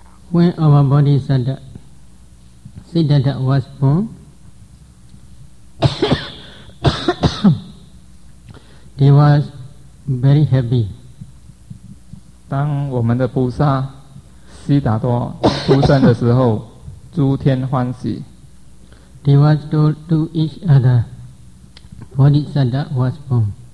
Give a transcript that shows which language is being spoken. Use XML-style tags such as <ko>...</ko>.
<en>When our Bodhisattva Siddhartha was born He was very happy</en> <zh>当我们的菩萨悉达多出生的时候 诸天欢喜</zh> <en>They was told to each other, Bodhisattva was born.</en>